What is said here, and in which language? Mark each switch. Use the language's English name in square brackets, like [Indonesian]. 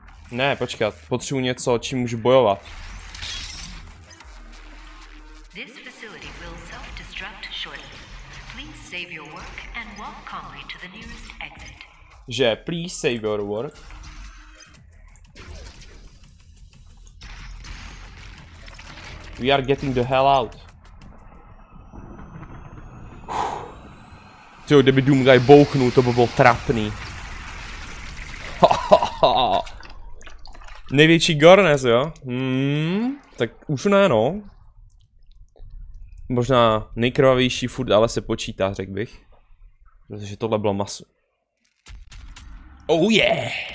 [Czech] Ne, počkat, potřebuji něco, čím můžu bojovat. [English] This facility will self-destruct shortly. Please save your work and walk calmly to the nearest exit. Že, please save your work. We are getting the hell out. [Czech] Tyjo, kdyby Doomguy bouchnul, to by bylo trapný. Největší Gornes, jo? Tak už ne, no. Možná nejkrvavější furt, ale se počítá, řekl bych. Protože tohle bylo masu. [English] Oh yeah!